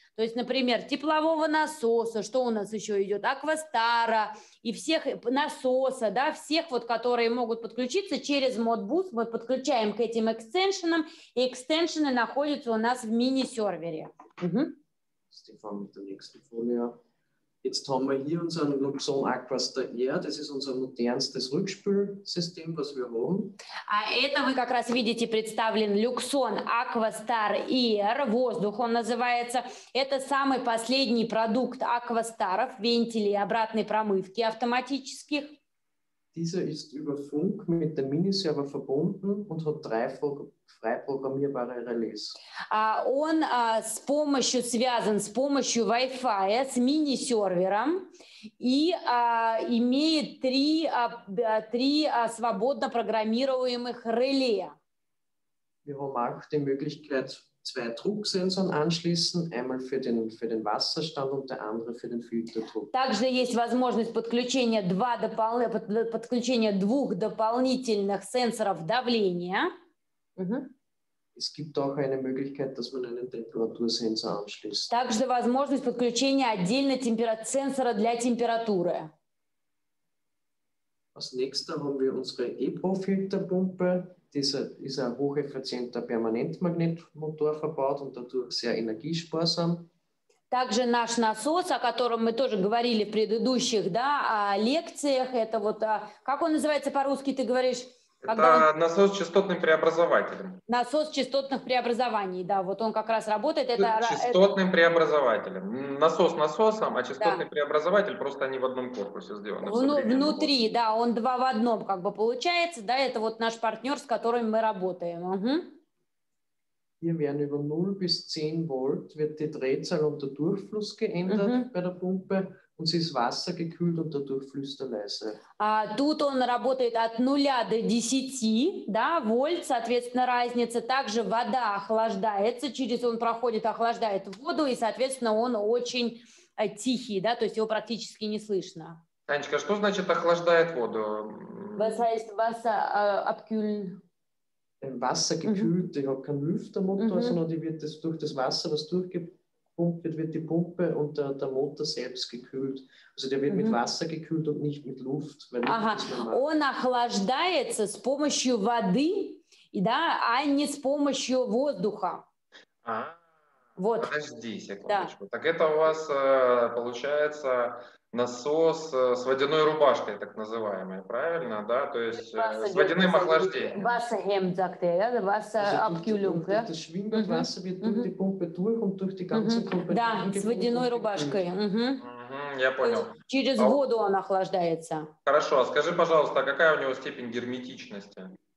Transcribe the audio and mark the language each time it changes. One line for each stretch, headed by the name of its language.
Russian: То есть, например, теплового насоса, что у нас еще идет, аквастара и всех насоса, да, всех вот, которые могут подключиться через Modbus, мы подключаем к этим экстеншенам, и экстеншены находятся у нас в мини-сервере. Стефан, это следующая фолия.
German: Jetzt haben wir hier unseren Luxon Aquastar Air. Das ist unser modernstes Rückspülsystem, was wir haben.
Russian: А это вы как раз видите представлен Luxon Aquastar Air. Воздух он называется. Это самый последний продукт Aquastar'ов, вентилей обратной промывки автоматических.
German: Dieser ist über Funk mit dem Miniserver verbunden und hat drei frei programmierbare Relais.
Russian: Он с помощью связан с помощью Wi-Fi с мини-сервером и имеет три свободно программируемых реле.
German: Wir haben auch die Möglichkeit, zwei Drucksensoren anschließen, einmal für den Wasserstand und der andere für den Filterdruck.
Russian: Также есть возможность подключения двух дополнительных сенсоров давления.
German: Es gibt auch eine Möglichkeit, dass man einen Temperatursensor anschließt.
Russian: Также возможность подключения отдельно сенсора для температуры.
German: Als nächster haben wir unsere EPO-Filterpumpe. Dieser ist ein hocheffizienter Permanentmagnetmotor verbaut und dadurch sehr energiesparsam.
Russian: Также наш насос, о котором мы тоже говорили в предыдущих, да, лекциях, это вот, как он называется по-русски, ты говоришь? Насос частотным преобразователем. Насос частотных преобразований, да, вот он как раз работает. Это частотным преобразователем. Насос насосом, а частотный преобразователь просто они в одном корпусе сделаны. Внутри, да, он два в одном как бы получается, да, это вот наш партнер, с которым мы работаем.
German: Hier werden über 0 bis 10 Volt wird die Drehzahl und der Durchfluss geändert bei der Pumpe. Und sie ist wassergekühlt und dadurch fließt er leise.
Russian: Тут он работает от 0 до 10, да, вольт, соответственно, разница. Также вода охлаждается, через он проходит, охлаждает воду, и, соответственно, он очень тихий, да, то есть его практически не слышно. Анечка, что значит охлаждает воду?
German: Was heißt Wasser abkühlen? Wassergekühlt, die hat keinen Lüftermotor, sondern die wird das durch das Wasser, was durchgepumpt wird die Pumpe und der Motor selbst gekühlt. Also der wird mit Wasser gekühlt und nicht mit Luft.
Russian: Weil он охлаждается с помощью воды, да, а не с помощью воздуха. Вот. Подожди секундочку. Да. Так это у вас получается насос с водяной рубашкой, так называемой, правильно? Да, то есть с водяным охлаждением.
German: Wasserhemd, sagt er, ja? Wasserabkühlung, ja? Das schwimmt Wasser wird durch die Pumpe durch und durch die ganze Pumpe.
Russian: Да, с водяной рубашкой. Я понял. Через воду он охлаждается. Хорошо, а скажи, пожалуйста, какая у него степень герметичности?